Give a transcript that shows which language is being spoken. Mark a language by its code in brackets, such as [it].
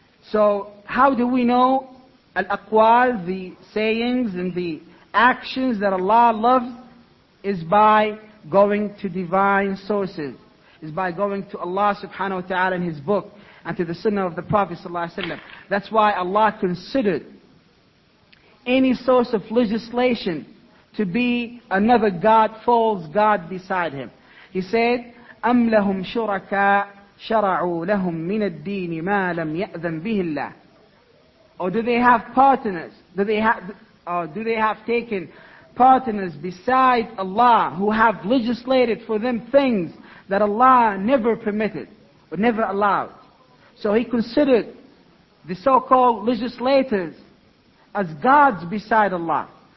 [en] So how do we know al-aqwal, the sayings and the actions that Allah loves, is by going to divine sources, is by going to Allah subhanahu wa ta'ala and His book, and to the sunnah of the Prophet sallallahu alaihi wasallam. That's why Allah considered any source of legislation to be another god, false god beside Him. He said, [ar] أَمْ لَهُمْ شُرَكَاء شَرَعُوا لَهُمْ مِنَ الدِّينِ مَا لَمْ يَأْذَنْ بِهِ اللَّهِ. [en] Or do they have partners? Do they have taken partners beside Allah who have legislated for them things that Allah never permitted or never allowed? So he considered the so-called legislators as gods beside Allah.